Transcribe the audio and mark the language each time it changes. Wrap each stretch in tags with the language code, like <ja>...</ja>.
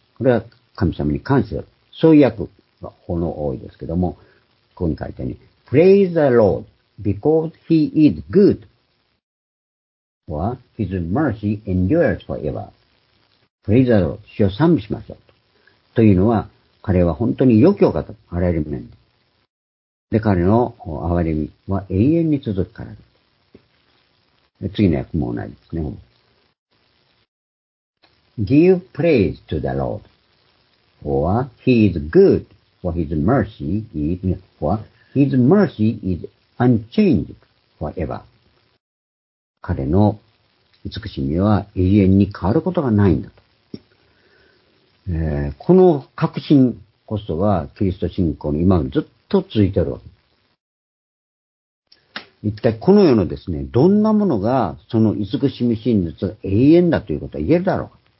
<ja>これは神様に感謝する。そういう訳が多いですけども、ここに書いてあるように、</ja> <en>praise the Lord because he is good or his mercy endures forever. Praise the Lord,</en> <ja>主を賛美しましょう。というのは、彼は本当に良きお方、あらゆる面で。で、彼の憐れみは永遠に続くからだ。次の訳も同じですね。</ja> <en>give praise to the Lord or he is good for his mercy is forever. His mercy is unchanged forever.</en> <ja>彼の慈しみは永遠に変わることがないんだと。この確信こそはキリスト信仰の今ずっと続いているわけ。一体この世のですね、どんなものがその慈しみ真実が永遠だということは言えるだろうか。</ja>